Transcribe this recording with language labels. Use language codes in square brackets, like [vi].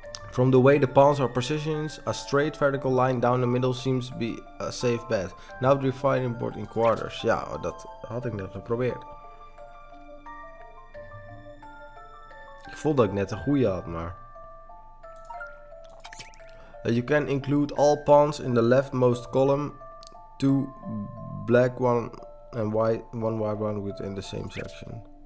[en] From the way the pawns are positioned, a straight vertical line down the middle seems to be a safe bet. Now the dividing board in quarters. [nl] Ja, dat had ik net geprobeerd. Ik voelde dat ik net een goede had, maar. [en] You can include all pawns in the leftmost column to black one and white, one white one within the same section.